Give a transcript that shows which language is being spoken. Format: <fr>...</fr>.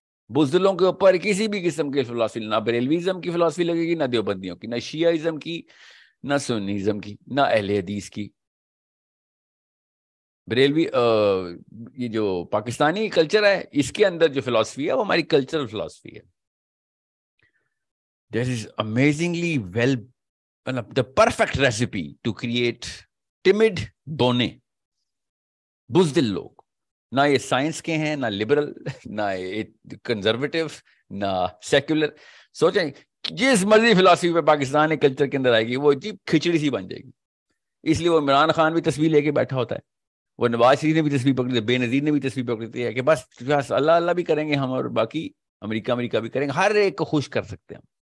<ur>بزدلوں کے اوپر کسی بھی قسم کی فلسفی, نہ بریلویزم کی فلسفی لگے گی, نہ دیوبندیوں کی, نہ شیعیزم کی, نہ سنیزم کی, نہ اہل حدیث کی. بریلوی یہ جو پاکستانی کلچر ہے اس کے اندر جو فلسفی ہے وہ ہماری کلچرل فلسفی ہے.</ur> <en>That is amazingly well, مطلب the perfect recipe to create tamed بونے, بزدل لوگ.</en> <ur>نہ یہ سائنس کے ہیں, نہ لبرل, نہ کنزرویٹو, نہ سیکولر. سوچیں جس مرضی فلسفی پہ پاکستانی کلچر کے اندر آئے گی وہ عجیب کھچڑی سی بن جائے گی. اس لیے وہ عمران خان بھی تصویر لے کے بیٹھا ہوتا ہے, وہ نواز شریف نے بھی تصویر پکڑی تھی, بے نظیر نے بھی تصویر پکڑی تھی, کہ بس بس اللہ اللہ بھی کریں گے ہم اور باقی امریکہ امریکہ بھی کریں گے, ہر ایک کو خوش کر سکتے ہیں.</ur>